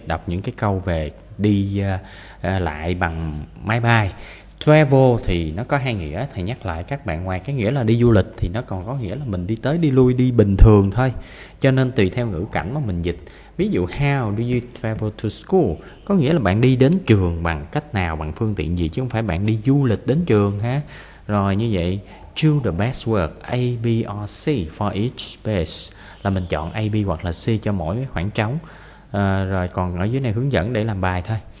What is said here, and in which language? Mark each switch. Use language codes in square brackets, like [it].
[vi] Đọc những cái câu về đi lại bằng máy bay. Travel thì nó có hai nghĩa, thầy nhắc lại các bạn, ngoài cái nghĩa là đi du lịch thì nó còn có nghĩa là mình đi tới đi lui, đi bình thường thôi. Cho nên tùy theo ngữ cảnh mà mình dịch. Ví dụ [en] how do you travel to school? [vi] Có nghĩa là bạn đi đến trường bằng cách nào, bằng phương tiện gì, chứ không phải bạn đi du lịch đến trường ha. Rồi như vậy, [en] choose the best word A, B or C for each space. [vi] Là mình chọn A, B hoặc là C cho mỗi cái khoảng trống. À, rồi còn ở dưới này hướng dẫn để làm bài thôi.